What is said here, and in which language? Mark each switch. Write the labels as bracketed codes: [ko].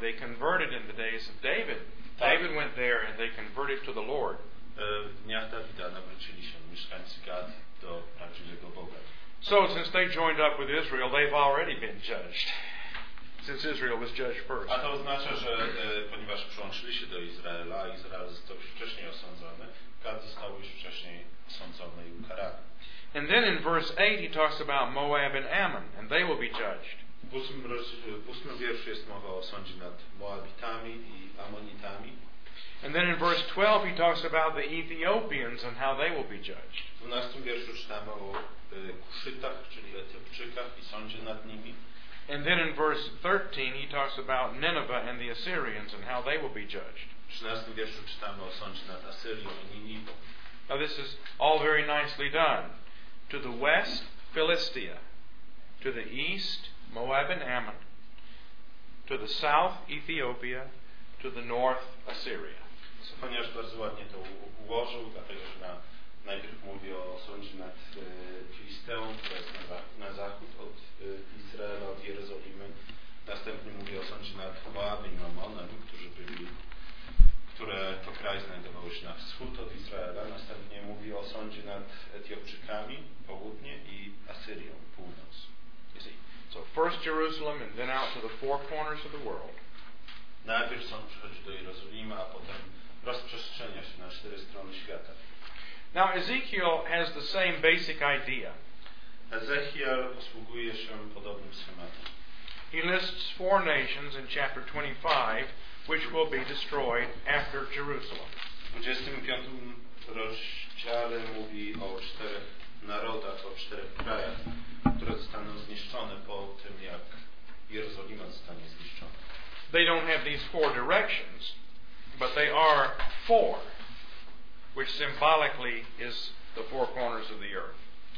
[en] They converted in the days of David. [pl] Tak. [en] David went there and they converted to the Lord. [pl] W dniach Dawida nawrócili się mieszkańcy Gat do prawdziwego Boga. [en] So since they joined up with Israel, they've already been judged. Since Israel was judged first. [pl] A to oznacza, że ponieważ przyłączyli się do Izraela, Izrael został już wcześniej osądzony, Gad został już wcześniej osądzony i ukarany. [en] And then in verse 8 he talks about Moab and Ammon, and they will be judged. [pl] W 8 wierszu jest mowa o sądzie nad Moabitami i Ammonitami. [en] And then in verse 12 he talks about the Ethiopians and how they will be judged. [pl] W 12 wierszu czytamy o Kuszytach, czyli Etiopczykach i sądzie nad nimi. [en] And then in verse 13 he talks about Nineveh and the Assyrians and how they will be judged. [pl] W 13 wierszu czytamy o sądzie nad Asyrią i Niniwą. [en] Now this is all very nicely done. To the west, Philistia. To the east, Moab and Ammon. To the south, Ethiopia. To the north, Assyria. [pl] Sofoniasz bardzo ładnie to ułożył, dlatego że najpierw mówi o sądzie nad Filisteą, to jest na zachód od Izraela, od Jerozolimy. Następnie mówi o sądzie nad Moabem i Ammonem, które to kraje znajdowały się na wschód od Izraela. Następnie mówi o sądzie nad Etiopczykami, południe, i Asyrią, północ. [en] You see. So first Jerusalem and then out to the four corners of the world. [pl] Najpierw sąd przychodzi do Jerozolimy, a potem rozprzestrzenia się na cztery strony świata. [en] Now Ezekiel has the same basic idea. [pl] Ezechiel posługuje się podobnym schematem. [en] He lists four nations in chapter 25 which will be destroyed after Jerusalem. [pl] W 25 rozdziale mówi o czterech narodach, o czterech krajach, które zostaną zniszczone po tym, jak Jerozolima zostanie zniszczona. [en] They don't have these four directions, but they are four, which symbolically is the four corners of the earth.